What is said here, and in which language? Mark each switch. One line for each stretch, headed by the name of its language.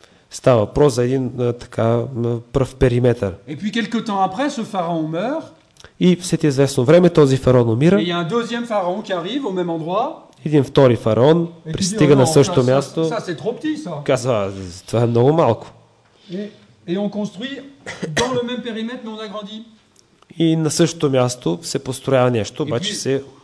Bulgarian: Става въпрос за един така пръв периметър.
French: Et puis quelques temps après, ce pharaon meurt.
Bulgarian: И след известно време този фараон умира.
French: Et il y a un deuxième pharaon qui arrive au même endroit.
Bulgarian: Един втори фараон пристига на същото място.
French: Ça, c'est trop petit, ça.
Bulgarian: Казва, това е много малко.
French: Et on construit dans le même périmètre, mais on agrandit.
Bulgarian: И на същото място се построява нещо, обаче се